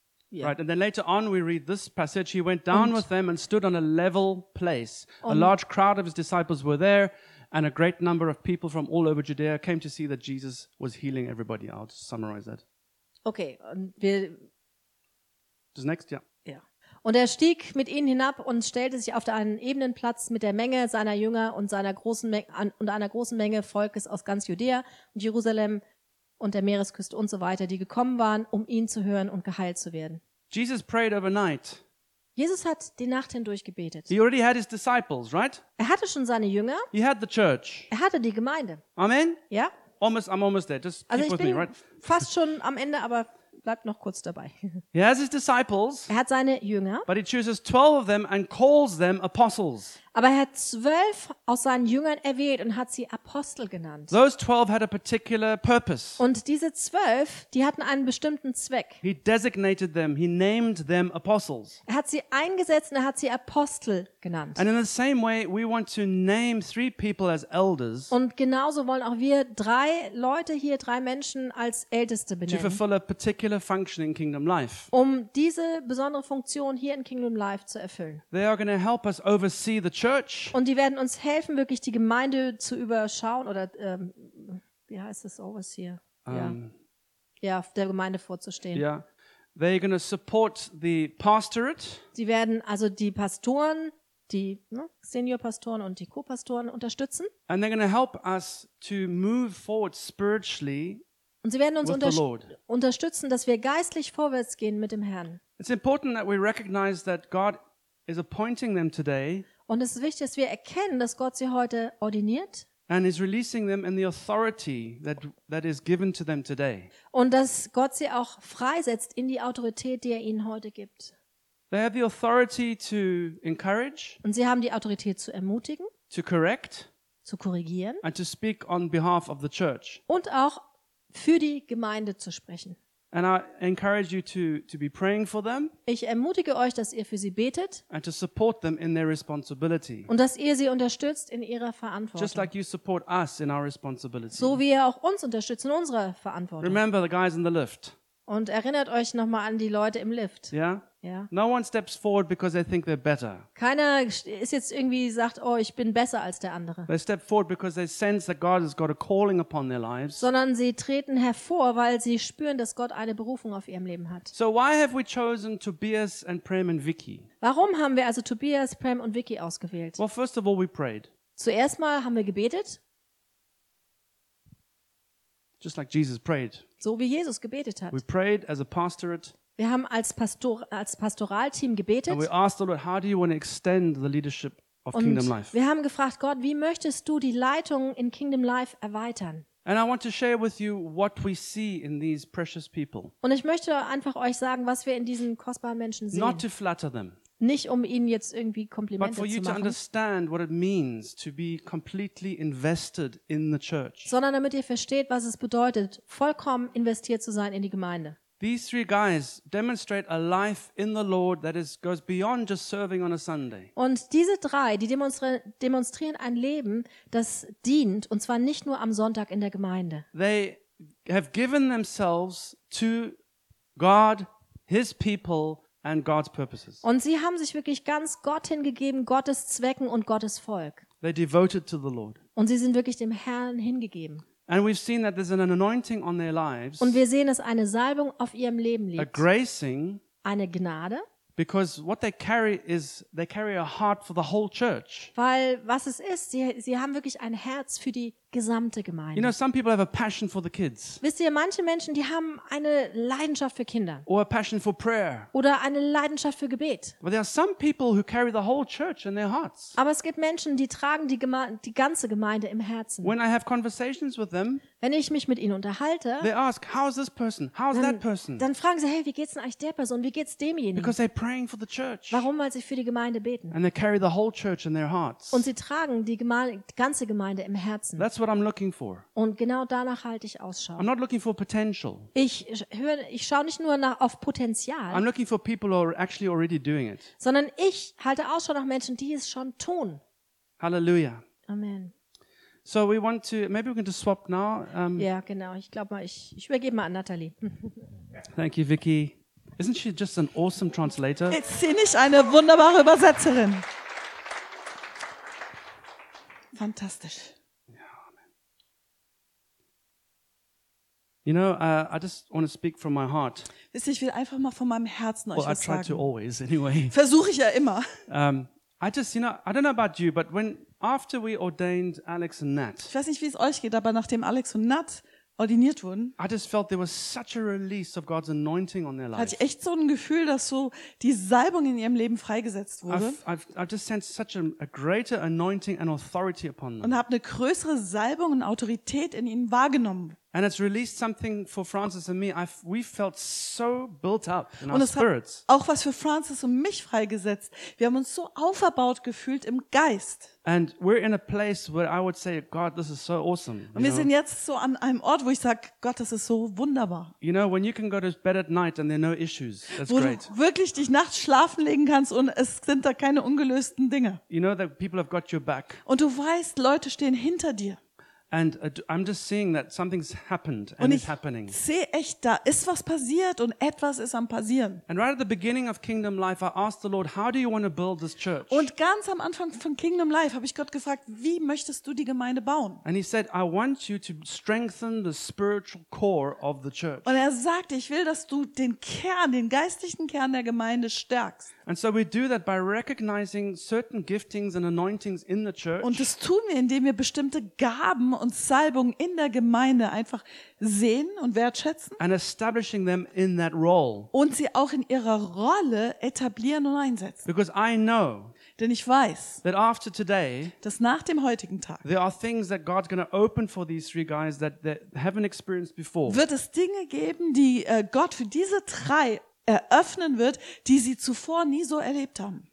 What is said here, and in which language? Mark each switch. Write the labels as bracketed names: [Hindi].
[German] wir. [English] Right, and then later on we read this passage. He went down with them and stood on a level place. A large crowd of his disciples were there, and a great number of people from all over Judea came to see that Jesus was healing everybody. I'll just summarize that. [German] Okay, und wir. Das nächste, ja. Ja. Und er stieg mit ihnen hinab und stellte sich auf einen ebenen Platz mit der Menge seiner Jünger und seiner großen Menge Volkes aus ganz Judäa und Jerusalem und der Meeresküste und so weiter, die gekommen waren, um ihn zu hören und geheilt zu werden. [English] Jesus prayed overnight. [German] Jesus hat die Nacht hindurch gebetet. [English] He already had his disciples, right? [German] Er hatte schon seine Jünger. [English] He had the church. [German] Er hatte die Gemeinde. [English] Amen? [German] Ja? [English] Almost, I'm almost there. Just [German] also [English] keep with me, right? [German] Fast schon am Ende, aber bleibt noch kurz dabei. [English] He has his disciples. [German] Er hat seine Jünger. [English] But he chooses 12 of them and calls them apostles. [German] Aber er hat 12 aus seinen Jüngern erwählt und hat sie Apostel genannt. [English] Those 12 had a particular purpose. [German] Und diese 12, die hatten einen bestimmten Zweck. [English] He designated them, he named them apostles. [German] Er hat sie eingesetzt und er hat sie Apostel genannt. [English] And in the same way we want to name 3 people as elders. [German] Und genauso wollen auch wir 3 Leute hier, 3 Menschen als Älteste benennen. [English] To fulfill a particular function in Kingdom Life. [German] Um diese besondere Funktion hier in Kingdom Life zu erfüllen. [English] They are going to help us oversee the church. [German] Und die werden uns helfen, wirklich die Gemeinde zu überschauen oder wie heißt es, overseer? Ja, der Gemeinde vorzustehen. [English] Yeah. They're going to support the pastorate. [German] Sie werden also die Pastoren, die Senior-Pastoren und die Co-Pastoren unterstützen. [English] And they're going to help us to move forward spiritually. [German] Und sie werden uns unterstützen, dass wir geistlich vorwärts gehen mit dem Herrn. [English] It's important that we recognize that God is appointing them today. [German] Und es ist wichtig, dass wir erkennen, dass Gott sie heute ordiniert. [English] And is releasing them in the authority that is given to them today. [German] Und dass Gott sie auch freisetzt in die Autorität, die er ihnen heute gibt. [English] They have the authority to encourage. [German] Und sie haben die Autorität zu ermutigen. [English] To correct. [German] Zu korrigieren. [English] And to speak on behalf of the church. [German] Und auch für die Gemeinde zu sprechen. [English] And I encourage you to be praying for them. [German] Ich ermutige euch, dass ihr für sie betet. [English] And to support them in their responsibility. [German] Und dass ihr sie unterstützt in ihrer Verantwortung. [English] Just like you support us in our responsibility. [German] So wie ihr auch uns unterstützt in unserer Verantwortung. [English] Remember the guys in the lift. [German] Und erinnert euch nochmal an die Leute im Lift. [English] Yeah? [German] Ja. [English] No one steps forward because they think they're better. [German] Keiner ist jetzt irgendwie sagt, oh, ich bin besser als der andere. [English] They step forward because they sense that God has got a calling upon their lives. [German] Sondern sie treten hervor, weil sie spüren, dass Gott eine Berufung auf ihrem Leben hat. [English] So why have we chosen Tobias and Prem and Vicky? [German] Warum haben wir also Tobias, Prem und Vicky ausgewählt? [English] Well, first of all, we prayed. [German] Zuerst mal haben wir gebetet. [English] Just like Jesus prayed. [German] So wie Jesus gebetet hat. [English] We prayed as a pastorate. [German] Wir haben als Pastoralteam gebetet. [English] And we asked the Lord, how do you want to extend the leadership of [German] und [English] Kingdom Life? [German] Wir haben gefragt, Gott, wie möchtest du die Leitung in Kingdom Life erweitern? [English] And I want to share with you what we see in these precious people. [German] Und ich möchte einfach euch sagen, was wir in diesen kostbaren Menschen sehen. [English] Not to flatter them. [German] Nicht um ihnen jetzt irgendwie Komplimente zu machen. [English] But for you to understand what it means to be completely invested in the church. [German] Sondern damit ihr versteht, was es bedeutet, vollkommen investiert zu sein in die Gemeinde. [English] These 3 guys demonstrate a life in the Lord that is goes beyond just serving on a Sunday. [German] Und diese 3, die demonstrieren ein Leben, das dient, und zwar nicht nur am Sonntag in der Gemeinde. [English] They have given themselves to God, his people and God's purposes. [German] Und sie haben sich wirklich ganz Gott hingegeben, Gottes Zwecken und Gottes Volk. [English] They devoted to the Lord. [German] Und sie sind wirklich dem Herrn hingegeben. [English] And we've seen that there's an anointing on their lives. [German] Und wir sehen, dass eine Salbung auf ihrem Leben liegt. [English] A gracing. [German] Eine Gnade. [English] Because what they carry is they carry a heart for the whole church. [German] Weil was es ist, sie haben wirklich ein Herz für die gesamte Gemeinde. [English] You know, some people have a passion for the kids. [German] Wisst ihr, manche Menschen, die haben eine Leidenschaft für Kinder. [English] Or a passion for prayer. [German] Oder eine Leidenschaft für Gebet. [English] But there are some people who carry the whole church in their hearts. [German] Aber es gibt Menschen, die tragen die ganze Gemeinde im Herzen. [English] When I have conversations with them. [German] Wenn ich mich mit ihnen unterhalte, [English] they ask, how's this person? How's that person? [German] Dann fragen sie, hey, wie geht's denn eigentlich der Person? Wie geht's demjenigen? [English] Because they're praying for the church. [German] Warum? Weil sie für die Gemeinde beten. [English] And they carry the whole church in their hearts. [German] Und sie tragen die ganze Gemeinde im Herzen. [English] That's what I'm looking for. [German] Und genau danach halte ich Ausschau. [English] I'm not looking for potential. [German] Ich schaue nicht nur auf Potenzial. [English] I'm looking for people who are actually already doing it. [German] Sondern ich halte Ausschau nach Menschen, die es schon tun. Halleluja. Amen. [English] So we want to, maybe we can just swap now. [German] Ja, genau. Ich glaube mal, ich übergebe mal an Natalie. [English] Thank you, Vicky. Isn't she just an awesome translator? [German] Ist sie nicht eine wunderbare Übersetzerin? Fantastisch. [English] You know, I just want to speak from my heart. [German] Wisst ihr, ich will einfach mal von meinem Herzen euch was sagen. [English] To always, anyway. [German] Versuche ich ja immer. [English] I just, you know, I don't know about you, but when after we ordained Alex and Nat. [German] Ich weiß nicht, wie es euch geht, aber nachdem Alex und Nat ordiniert wurden. [English] I just felt there was such a release of God's anointing on their life. [German] Hatte ich echt so ein Gefühl, dass so die Salbung in ihrem Leben freigesetzt wurde. [English] I've just sensed such a greater anointing and authority upon them. [German] Und habe eine größere Salbung und Autorität in ihnen wahrgenommen. [English] And it's released something for Francis and me. We felt so built up in our spirits. [German] Auch was für Francis und mich freigesetzt. Wir haben uns so aufgebaut gefühlt im Geist. [English] And we're in a place where I would say, God, this is so awesome. [German] Und wir sind jetzt so an einem Ort, wo ich sage, Gott, das ist so wunderbar. [English] You know, when you can go to bed at night and there are no issues, that's great. [German] Wo du wirklich dich nachts schlafen legen kannst und es sind da keine ungelösten Dinge. [English] You know that people have got your back. [German] Und du weißt, Leute stehen hinter dir. [English] And I'm just seeing that something's happened and it's happening. [German] Und ich sehe echt, da ist was passiert und etwas ist am passieren. [English] And right at the beginning of Kingdom Life, I asked the Lord, "How do you want to build this church?" [German] Und ganz am Anfang von Kingdom Life habe ich Gott gefragt, wie möchtest du die Gemeinde bauen? [English] And He said, "I want you to strengthen the spiritual core of the church." [German] Und er sagte, ich will, dass du den Kern, den geistlichen Kern der Gemeinde stärkst. [English] And so we do that by recognizing certain giftings and anointings in the church. [German] Und das tun wir, indem wir bestimmte Gaben und Salbung in der Gemeinde einfach sehen und wertschätzen. [English] And establishing them in that role. [German] Und sie auch in ihrer Rolle etablieren und einsetzen. [English] Because I know. [German] Denn ich weiß. [English] That after today. [German] Dass nach dem heutigen Tag. [English] There are things that God's going to open for these three guys that haven't experienced before. [German] Wird es Dinge geben, die Gott für diese drei eröffnen wird, die sie zuvor nie so erlebt haben.